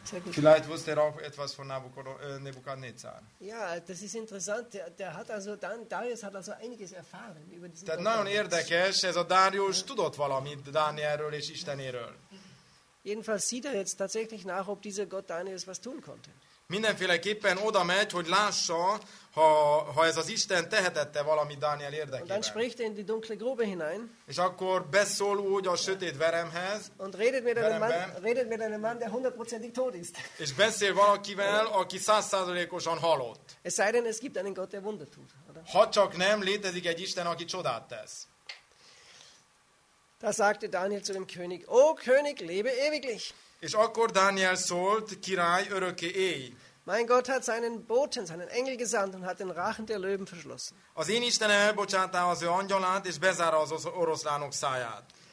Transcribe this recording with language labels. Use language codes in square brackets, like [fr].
[de] Vielleicht wusste er auch etwas von Nebukadnezar. Ja, das ist interessant. Darius hat also einiges erfahren über diesen. [hu] Tehát nagyon érdekes, ez a Darius tudott valamit Dánielről és Istenéről. [de] Jedenfalls sieht er jetzt tatsächlich nach, ob dieser Gott Daniels was tun konnte. [hu] Mindenféleképpen oda megy, hogy lássa, ha ez az Isten tehetette valami Dániel érdekében. [de] Und dann spricht er in die dunkle Grube hinein. [hu] És akkor beszól úgy a sötét veremhez. [de] Und redet mit einem Mann, der 100%ig tot ist. [hu] És beszél valakivel, aki 100%-osan halott. [de] Es sei denn, es gibt einen Gott, der Wunder tut, oder? [hu] Ha csak nem, létezik egy Isten, aki csodát tesz. [de] Da sagte Daniel zu dem König: O König, lebe ewiglich. [hu] És akkor Daniel szólt: Király, örökké élj. [de] Mein Gott hat seinen Boten, seinen Engel gesandt und hat den Rachen der Löwen verschlossen. [hu] Az én Istenem elbocsátta az ő angyalát és bezárta az oroszlánok száját.